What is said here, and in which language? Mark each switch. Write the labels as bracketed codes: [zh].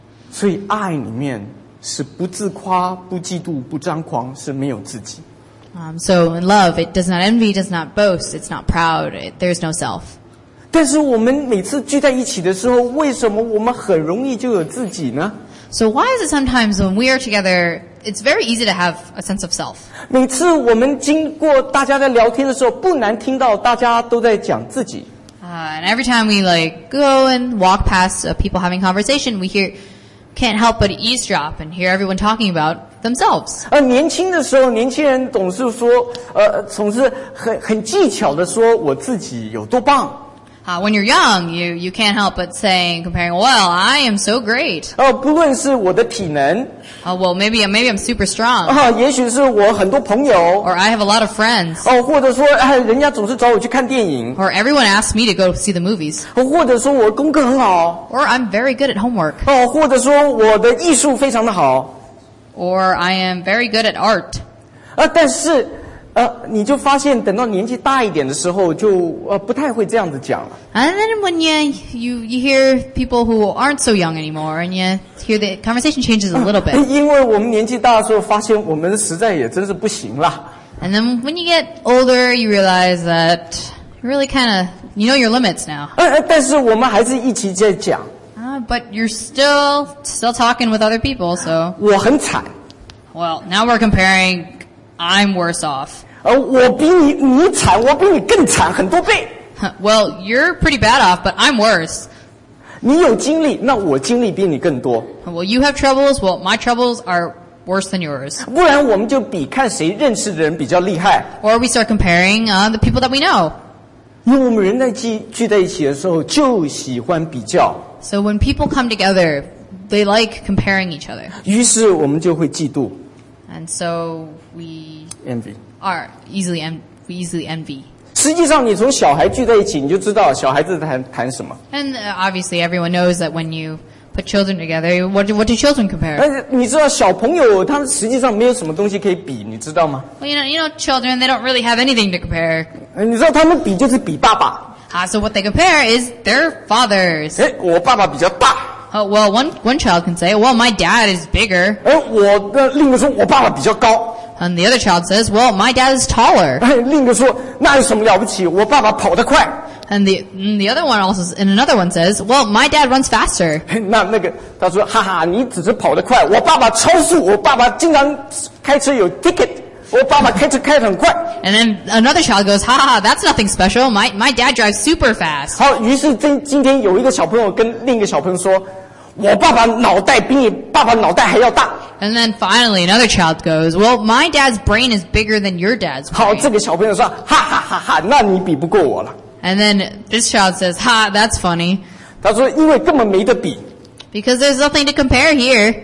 [zh] 所以爱里面是不自夸、不嫉妒、不张狂，是没有自己。 [en] So in love, it does not envy, does not boast, it's not proud, there is no self. [zh] 但是我们每次聚在一起的时候，为什么我们很容易就有自己呢？ [en] So why is it sometimes when we are together, it's very easy to have a sense of self? [zh] 每次我们经过大家在聊天的时候，不难听到大家都在讲自己。 [en] And every time we go and walk past people having conversation, we hear, can't help but eavesdrop and hear everyone talking about themselves. [zh] 年轻的时候年轻人总是说总是很技巧的说我自己有多棒。 [en] When you're young, you can't help but saying, comparing, well, I am so great. [zh] 不论是我的体能。 [en] Well, maybe I'm super strong. [zh] 也许是我很多朋友。 [en] Or I have a lot of friends. [zh] 或者说人家总是找我去看电影。 [en] Or everyone asks me to go see the movies. [zh] 或者说我功课很好。 [en] Or I'm very good at homework. [zh] 或者说我的艺术非常的好。 [en] Or I am very good at art. [zh] 但是你就发现等到年纪大一点的时候就不太会这样子讲了。 [en] And then when you hear people who aren't so young anymore, and you hear the conversation changes a little bit. [zh] 因为我们年纪大的时候发现我们实在也真是不行了。 [en] And then when you get older, you realize that you really kind of, you know your limits now. [zh] 但是我们还是一起在讲。 [en] But you're still talking with other people, so. [zh] 我很惨。 [en] Well, now we're comparing I'm worse off. [zh] 我比你惨，我比你更惨很多倍。 [en] Well, you're pretty bad off, but I'm worse. [zh] 你有经历，那我经历比你更多。 [en] Well, you have troubles. Well, my troubles are worse than yours. [zh] 不然我们就比看谁认识的人比较厉害。 [en] Or we start comparing the people that we know. [zh] 因为我们人在聚在一起的时候就喜欢比较。 [en] So when people come together, they like comparing each other. [zh] 于是我们就会嫉妒。 [en] And so we envy. We easily envy. [zh] 实际上你从小孩聚在一起你就知道小孩子在 谈什么。 [en] And obviously everyone knows that when you put children together, what do children compare? [zh] 你知道小朋友他们实际上没有什么东西可以比你知道吗 [en] Well, you know, children, they don't really have anything to compare. [zh] 你知道他们比就是比爸爸。 [en] So what they compare is their fathers. [zh] 我爸爸比较大。 [en] Well, one child can say, well, my dad is bigger. [zh] 我的另一个说我爸爸比较高。 [en] And the other child says, well, my dad is taller. [zh] 另一个说那有什么了不起我爸爸跑得快。 [en] And another one says, well, my dad runs faster. [zh] 那个他说哈哈你只是跑得快我爸爸超速我爸爸经常开车有 ticket, 我爸爸开车开得很快。 [en] And then another child goes, ha ha, that's nothing special, my dad drives super fast. [zh] 好于是今天有一个小朋友跟另一个小朋友说我爸爸脑袋比你爸爸脑袋还要大。 [en] And then finally another child goes, well, my dad's brain is bigger than your dad's brain. [zh] 好这个小朋友说哈哈哈哈那你比不过我了。 [en] And then this child says, ha, that's funny. [zh] 他说因为根本没得比。 [en] Because there's nothing to compare here.